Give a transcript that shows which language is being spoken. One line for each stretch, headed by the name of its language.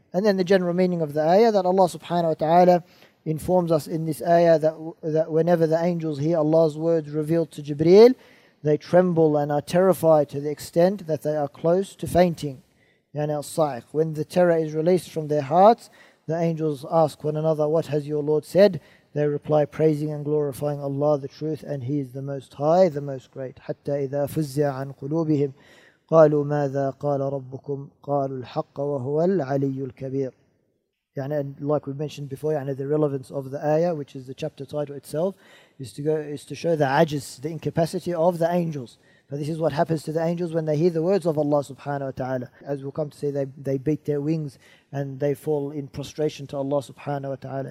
English: And then the general meaning of the ayah, that Allah subhanahu wa ta'ala informs us in this ayah that whenever the angels hear Allah's words revealed to Jibreel, they tremble and are terrified to the extent that they are close to fainting.
Arabic: يعني الصائق.
English: When the terror is released from their hearts, the angels ask one another, what has your Lord said? They reply, praising and glorifying Allah, the truth, and He is the most high, the most great.
Arabic: حتى إذا فزع عن قلوبهم قالوا ماذا قال ربكم قالوا الحق وهو العلي الكبير.
English: يعني, and like we mentioned before, يعني the relevance of the ayah, which is the chapter title itself, is to show the ajiz, the incapacity of the angels. But this is what happens to the angels when they hear the words of Allah subhanahu wa ta'ala. As we'll come to say, they beat their wings and they fall in prostration to Allah subhanahu wa ta'ala.